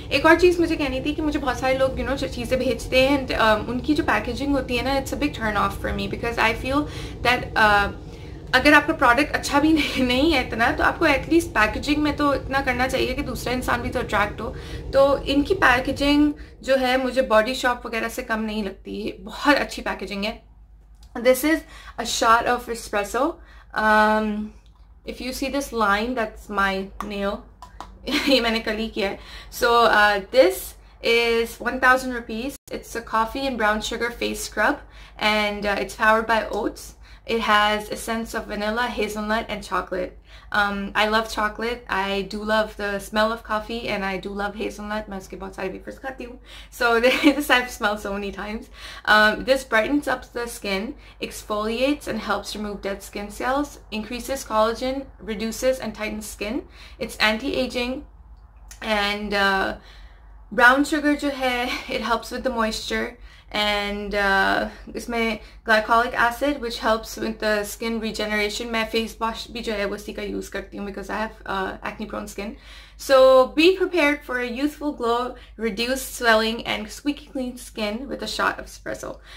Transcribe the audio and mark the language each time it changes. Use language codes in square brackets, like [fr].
[hi] एक और चीज़ मुझे कहनी थी कि मुझे बहुत सारे लोग यू नो जो चीज़ें भेजते हैं एंड उनकी जो पैकेजिंग होती है ना, [en] it's a big turn off for me because I feel that [hi] अगर आपका प्रोडक्ट अच्छा भी नहीं है इतना, तो आपको एटलीस्ट पैकेजिंग में तो इतना करना चाहिए कि दूसरा इंसान भी तो अट्रैक्ट हो. तो इनकी पैकेजिंग जो है मुझे बॉडी शॉप वगैरह से कम नहीं लगती, बहुत अच्छी पैकेजिंग है. [en] This is a shot of espresso. if you see this line, that's my nail. [hi] ये मैंने कल ही किया है. [en] So this is 1000 rupees. It's a coffee and brown sugar face scrub, and it's powered by oats. It has a sense of vanilla, hazelnut, and chocolate. I love chocolate. I do love the smell of coffee, and I do love hazelnut. [hi] मैं उसके बहुत सारे wafers खाती हूँ. [en] So this I've smelled so many times. This brightens up the skin, exfoliates, and helps remove dead skin cells. Increases collagen, reduces and tightens skin. It's anti-aging, and brown sugar [hi] जो है, [en] it helps with the moisture. And [hi] इसमें [en] glycolic acid, which helps with the skin regeneration. [hi] मैं face wash भी जो है वो इसी का use करती हूँ, [en] because I have acne prone skin. So be prepared for a youthful glow, reduced swelling, and squeaky clean skin with a shot of espresso.